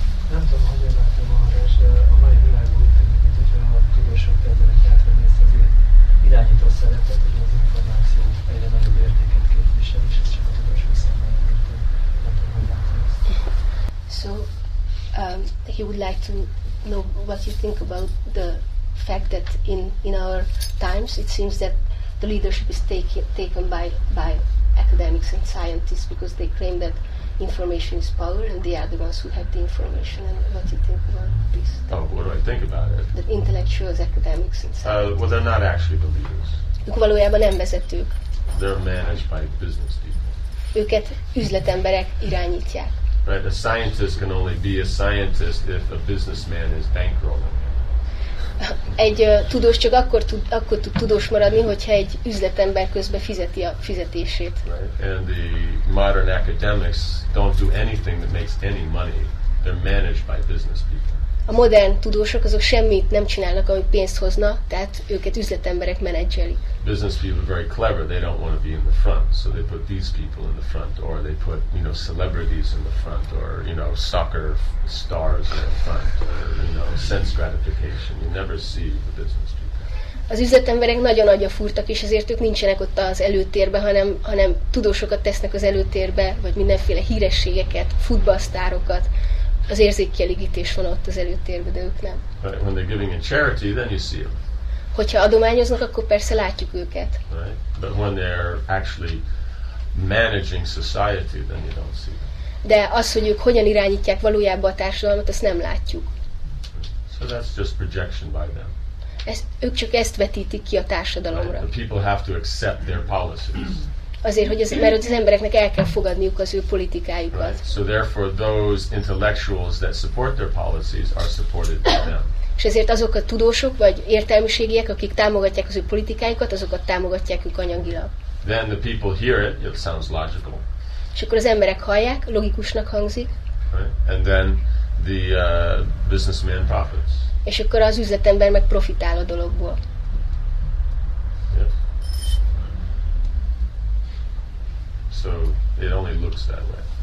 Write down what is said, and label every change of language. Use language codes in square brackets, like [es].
[hu] Nem tudom, hogy látom a hatást, de a mai világban mint hogyha a tudósok kezdenek átvenni ezt az irányító szerepet, hogy az információ egyre nagyobb értéket képvisel, és ez csak a tudósok számára értő. Nem tudom, hogy [en] he would like to know what you think about the fact that in our times it seems that the leadership is taken by academics and scientists because they claim that information is power and they are the ones who have the information. And what you think about this? Oh, what do I think about it? The intellectuals, academics and scientists. Well, they're not actually the leaders. [hu] Ők valójában nem vezetők. [en] They're managed by business people. [hu] Őket üzletemberek irányítják. [en] Right, a scientist can only be a scientist if a businessman is bankrolling him. [hu] Egy tudós csak akkor tud tudós maradni, hogyha egy üzletember közben fizeti a fizetését. [en] Right. And the modern academics don't do anything that makes any money. They're managed by business people. [hu] A modern tudósok azok semmit nem csinálnak, ami pénzt hozna, tehát őket üzletemberek menedzselik. [en] Business people are very clever. They don't want to be in the front, so they put these people in the front, or they put, you know, celebrities in the front, or, you know, soccer stars in the front, or, you know, sense gratification. You never see the business people. [hu] Az üzletemberek nagyon agyafurtak, és ezért ők nincsenek ott az előtérbe, hanem tudósokat tesznek az előtérbe, vagy mindenféle hírességeket, futballsztárokat. Az érzékkielégítés van ott az előtérben, de ők nem. [en] Right. When they're giving in charity, then you see them. [hu] Hogyha adományoznak, akkor persze látjuk őket. [en] Right. But when they're actually managing society, then you don't see them. [hu] De az, hogy ők hogyan irányítják valójában a társadalmat, azt nem látjuk. [en] So that's just projection by them. [hu] Ők csak ezt vetítik ki a társadalomra. [en] Right. The people have to accept their policies. [hu] Azért, hogy az embereknek el kell fogadniuk az ő politikájukat. [en] Right. So therefore those intellectuals that support their policies are supported by them. [hu] És ezért azok a tudósok vagy értelmiségiek, akik támogatják az ő politikájukat, azokat támogatják ők anyagilag. [en] Then the people hear it, it sounds logical. [hu] És akkor az emberek hallják, logikusnak hangzik. [en] Right. And then the businessman profits. [hu] És akkor az üzletember meg profitál a dologból. [en] So it only looks that way.